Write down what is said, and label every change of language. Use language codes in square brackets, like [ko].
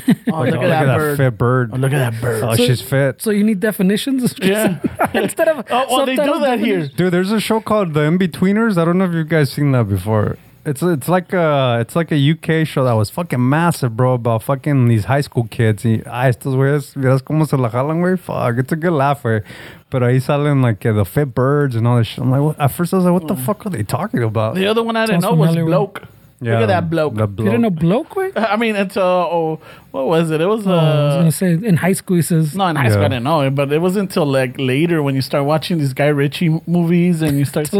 [en] Look at that fit bird. Oh, look at that bird. Oh, so, she's fit. So you need definitions? Yeah. Instead of well, they do that here. Dude, there's a show called The Inbetweeners. I don't know if you guys seen that before. It's like a UK show that was fucking massive, bro, about fucking these high school kids. [es] Estos güeyes, ¿verás cómo se la jalan, güey? [en] Fuck, it's a good laugh, güey. But [es] ahí salen [en] like the fit birds and all this shit. I'm like, at first I was like, what the fuck are they talking about? The other one I didn't know was Bloke. Yeah, look at that bloke. You didn't know bloke, right? I mean, what was it? I was going to say, in high school, he says. No, in high school, I didn't know it. But it wasn't until like later when you start watching these Guy Ritchie movies and you start seeing.